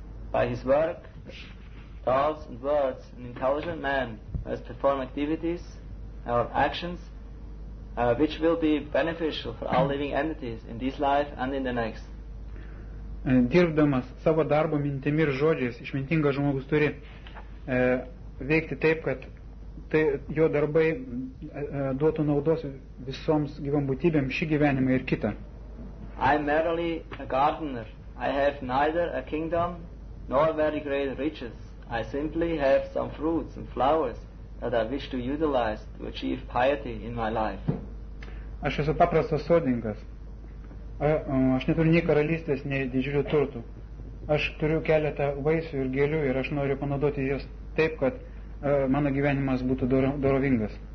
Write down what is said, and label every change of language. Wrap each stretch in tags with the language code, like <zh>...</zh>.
<en>By his work, thoughts and words, an intelligent man has performed activities or actions which will be beneficial for all living entities in this life and in the next.</en> <lt>dirbdamas savo darbo mintimi ir žodžiais, išmintingas žmogus turi veikti taip, kad tai jo darbai duotų naudos visoms gyvom būtybėm šį gyvenimą ir kitą.</lt> <en>I am merely a gardener. I have neither a kingdom nor very great riches. I simply have some fruits and flowers that I wish to utilize to achieve piety in my life.</en> <lt>Aš esu paprastas sodininkas. Aš neturiu nei karalystės, nei didžiulių turtų. Aš turiu keletą vaisių ir gėlių ir aš noriu panaudoti jas taip, kad mano gyvenimas būtų dorovingas.</lt>